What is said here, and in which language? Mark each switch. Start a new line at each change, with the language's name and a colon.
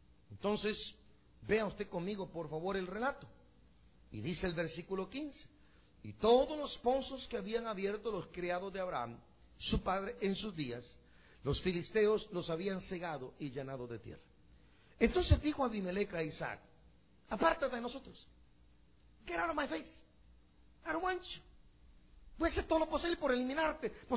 Spanish: Entonces, vea usted conmigo, por favor, el relato. Y dice el versículo 15. Y todos los pozos que habían abierto los criados de Abraham, su padre, en sus días, los filisteos los habían cegado y llenado de tierra. Entonces dijo Abimelec a Isaac, apártate de nosotros.
English: Get out of my face. I don't want you.
Spanish: Voy a hacer todo lo posible por eliminarte.